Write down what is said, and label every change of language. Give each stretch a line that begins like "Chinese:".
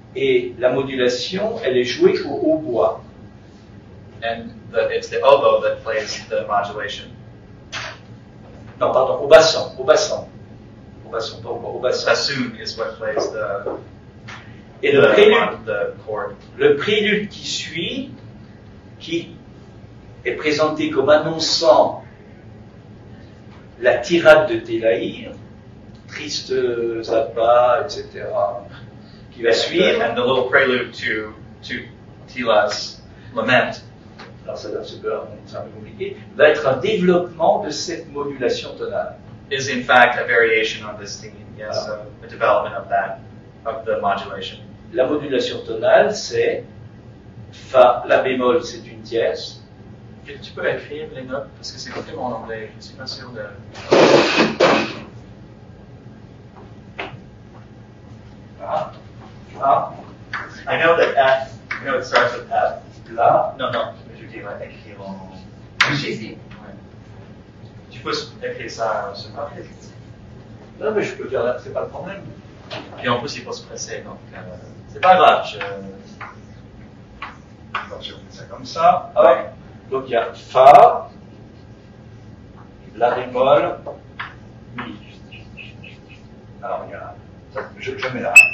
French: Et la modulation, elle est jouée au hautbois.
English: And it's the oboe that plays the modulation.
French: Non, pardon, au basson, au basson. Au basson, pas au basson.
English: Bassoon is what plays the...
French: Et le prélude, le prélude qui suit, qui est présenté comme annonçant la tirade de Télaïr, triste Zappa, etc., qui va suivre.
English: And the little prelude to Tila's lament.
French: Alors ça va se faire un peu compliqué. Va être un développement de cette modulation tonale.
English: Is in fact a variation on this theme. Yes, a development of that, of the modulation.
French: La modulation tonale, c'est Fa, la bémol, c'est une dièse. Et tu peux écrire les notes, parce que c'est complètement en anglais. Je ne suis pas sûr de... Ah.
English: I know that F, you know it starts with F.
French: La. Non. Mais je dirais écrire en... J'ai ouais. Tu peux écrire ça, je ne sais pas. Non, mais je peux dire là, c'est pas le problème. Puis en plus, il faut se presser, donc... C'est pas grave, Donc je fais ça comme ça. Ah ouais. Donc il y a Fa, La bémol, Mi. Alors il y a. Je mets là.